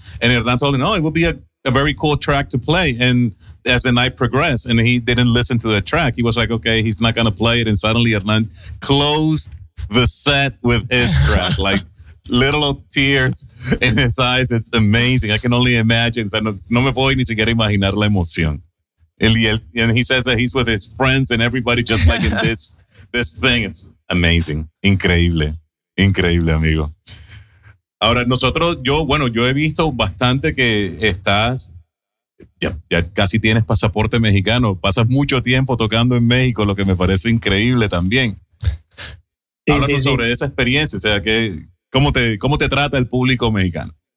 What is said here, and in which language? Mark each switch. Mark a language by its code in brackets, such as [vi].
[en] And Hernán told him, oh, it would be a very cool track to play. And as the night progressed and he didn't listen to the track, he was like, okay, he's not going to play it. And suddenly Hernán closed the set with his track, like little tears in his eyes. It's amazing. I can only imagine. [es] No me puedo ni siquiera imaginar la emoción. [en] And he says that he's with his friends and everybody just like in this thing. It's amazing. [es] Increíble. Increíble, amigo. Ahora, yo he visto bastante que estás, ya casi tienes pasaporte mexicano, pasas mucho tiempo tocando en México, lo que me parece increíble también. Sí, háblanos sobre esa experiencia, o sea, ¿cómo te trata el público mexicano?